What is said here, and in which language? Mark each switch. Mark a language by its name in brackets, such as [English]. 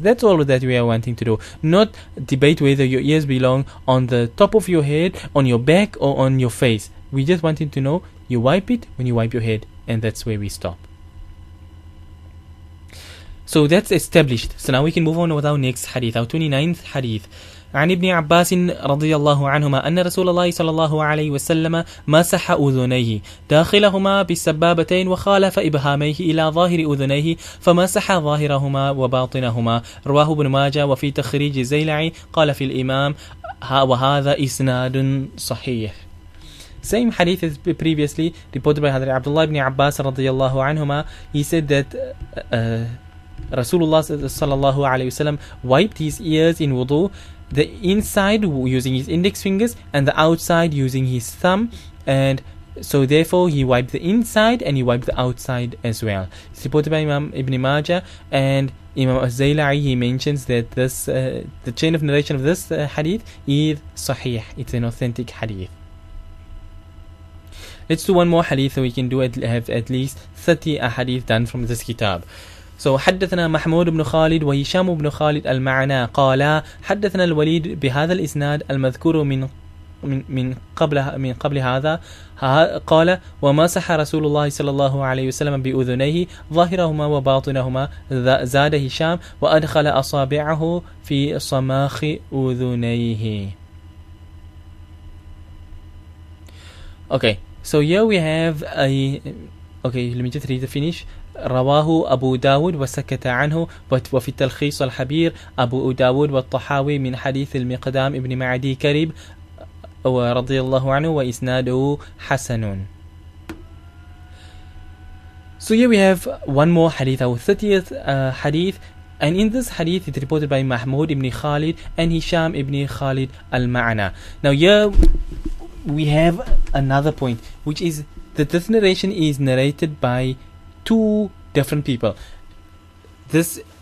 [English] That's all that we are wanting to do. Not debate whether your ears belong on the top of your head, on your back, or on your face. We just wanting to know, you wipe it when you wipe your head, and that's where we stop. So that's established. So now we can move on with our next hadith, our 29th hadith. [Arabic] عن ابن عباس رضي الله عنهما أن رسول الله صلى الله عليه وسلم مسح أذنيه داخلهما بالسبابتين وخالف إبهاميه إلى ظاهر أذنيه فمسح ظاهرهما وباطنهما رواه ابن ماجه وفي تخريج الزيلعي قال في الإمام وهذا إسناد صحيح. [English] Same hadith as previously reported by Hadhrat Abdullah ibn Abbas رضي الله عنهما. He said that Rasulullah صلى الله عليه وسلم wiped his ears in wudu, the inside using his index fingers and the outside using his thumb, and so therefore he wiped the inside and he wiped the outside as well. It's reported by Imam Ibn Majah, and Imam Az-Zaylai, he mentions that this the chain of narration of this hadith is sahih. It's an authentic hadith. Let's do one more hadith so we can have at least 30 hadith done from this kitab. So [Arabic] حدثنا محمود بن خالد وهشام بن خالد المعنى قال حدثنا الوليد بهذا الإسناد المذكور من قبل هذا قال ومسح رسول الله صلى الله عليه وسلم بأذنيه ظاهرهما وباطنهما زاد هشام وأدخل أصابعه في صماخ أذنيه. [English] Okay, so here we have let me just read the finish. [Arabic] رواه أبو داود وسكت عنه وفي التلخيص الحبير أبو داود والطحاوي من حديث المقدام ابن معدي كرب ورضي الله عنه وإسناده حسن. [English] So here we have one more hadith, our 30th hadith, and in this hadith it's reported by Mahmud ibn Khalid and Hisham ibn Khalid al-Ma'na. Now here we have another point, which is that this narration is narrated by two different people. This